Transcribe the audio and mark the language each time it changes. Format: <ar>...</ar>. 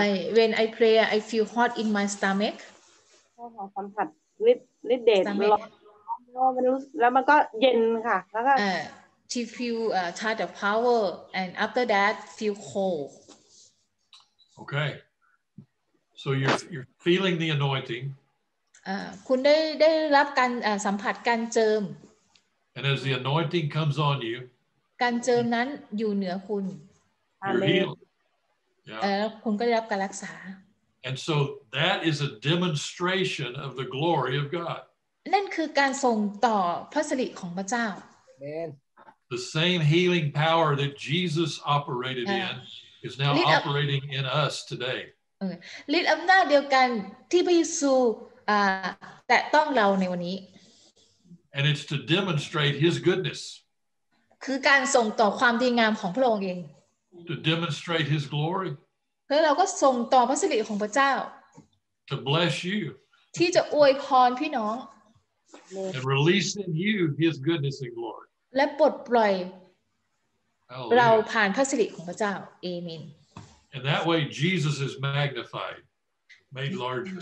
<en>I when I pray I feel hot in my stomach</en> <th>สัมผัสฤทธิ์เดชมันร้อนมันรู้แล้วมันก็เย็นค่ะแล้วก็</th> <en>she feel touch of power and after that feel cold okay so you're feeling the anointing</en> <th>คุณได้รับการสัมผัสการเจิม</th> <en>and as the anointing comes on you</en> <th>การเจิมนั้นอยู่เหนือคุณ</th> <en>you're healed</en> <th>แล้วคุณก็ได้รับการรักษา</th> <en>And so that is a demonstration of the glory of God.</en> <th>นั่นคือการส่งต่อพระสิริของพระเจ้า</th> <en>Amen. The same healing power that Jesus operated in is now operating in us today.</en> <th>ฤทธิ์อำนาจเดียวกันที่พระเยซูแตะต้องเราในวันนี้</th> <en>And it's to demonstrate His goodness.</en> <th>คือการส่งต่อความดีงามของพระองค์เอง</th> <en>To demonstrate His glory.</en> <th>แล้วเราก็ส่งต่อพระสิริของพระเจ้า</th> <en>to bless you</en> <th>ที่จะอวยพรพี่น้อง</th> <en>and release in you his goodness and glory</en> <th>และปลดปล่อย</th> <en>Hallelujah.</en> <th>เราผ่านพระสิริของพระเจ้าเอเมน</th> <en>and that way Jesus is magnified made larger</en>